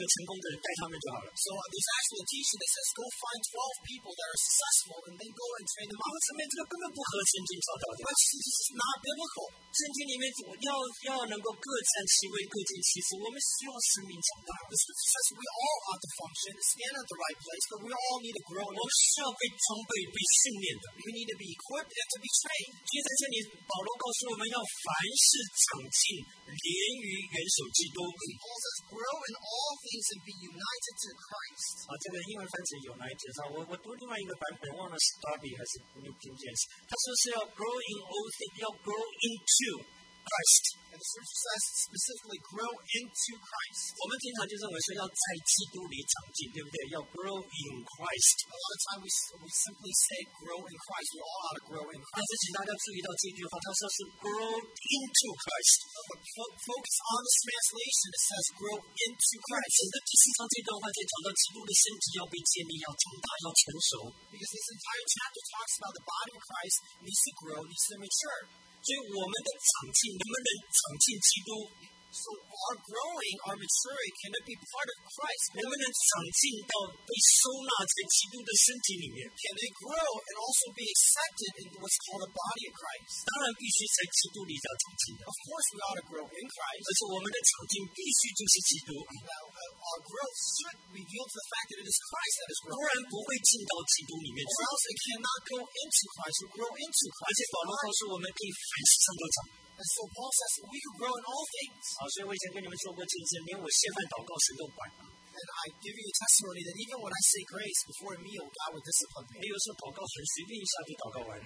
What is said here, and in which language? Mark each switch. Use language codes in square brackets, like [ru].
[en] So there's actually a teaching that says go find 12 people that are successful and then go and train them up. This is not biblical. [zh] 圣经里面要能够各占其位，各尽其职。我们需要使命强大。 [en] Because we all ought to function, stand at the right place, but we all need to grow. [zh] 我们需要被装备、被训练的。 [en] We need to be equipped and to be trained. [zh] 所以在这里，保罗告诉我们要凡事长进，连于元首基督。 [en] Paul says, "Grow in all things and be united to Christ." [zh] 啊，这个英文翻译 "united" 上，我读另外一个版本，忘了是 Darby 还是 New King James。他说是要 [en] grow in all things， [zh] 要 [en] grow into。 Christ. And the church says specifically grow into Christ. [zh] 我们经常就认为说要在基督里长进，对不对？要 [en] grow in Christ. A lot of times we simply say grow in Christ. We all ought to grow in Christ. [zh] 但是请大家注意到这句话，他说是 [en] grow into Christ. Focus on the translation. It says grow into Christ. [zh] 那第四章这段话在讲到基督的身体要被建立，要长大，要成熟。 [en] Because this entire chapter talks about the body of Christ needs to grow, needs to mature. [zh] 所以我们的长进能不能长进基督？ [en] So our growing, our maturing, can it be part of Christ? [zh] 能不能长进到被收纳在基督的身体里面？ [en] Can they grow and also be accepted in what's called the body of Christ? [zh] 当然必须在基督里要长进的。 [en] Of course we ought to grow in Christ. [zh] 而是我们的长进必须就是基督。 [en] Our growth should reveal to the fact that it is Christ that is growing. [zh] 不然不会进到基督里面去。 [en] Or else it cannot go into Christ or grow into Christ. [zh] 而且保罗告诉我们可以凡事上都长。 [en] And so Paul says we can grow in all things. [zh] 所以我以前跟你们说过，就是连我吃饭祷告神都管。 [en] And I give you a testimony that even when I say grace before a meal, God will discipline me. [zh] 也有时候祷告很随便，一下就祷告完了。